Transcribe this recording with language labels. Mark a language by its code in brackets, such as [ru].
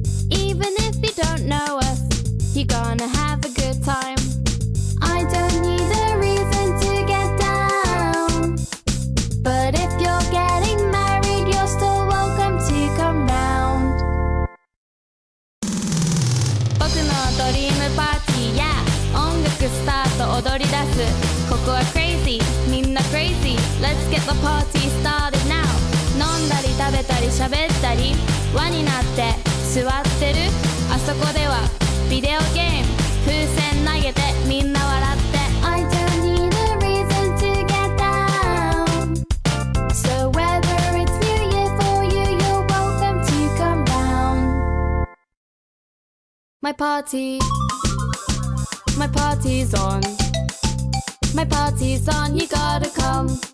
[en] Even if you don't know us, you're gonna have a good time. I don't need a reason to get down. But if you're getting married, you're still welcome to come round. [ja] Boku no [en] dream party, yeah. [ja] 音楽スタート踊り出す。ここは crazy, みんな crazy. [en] Let's get the party started. [ja] 食べたり喋ったり輪になって座ってる。あそこではビデオゲーム風船投げてみんな笑って。 [en] I don't need a reason to get down. So whether it's New Year for you, you're welcome to come round. My party. My party's on. My party's on, you gotta come.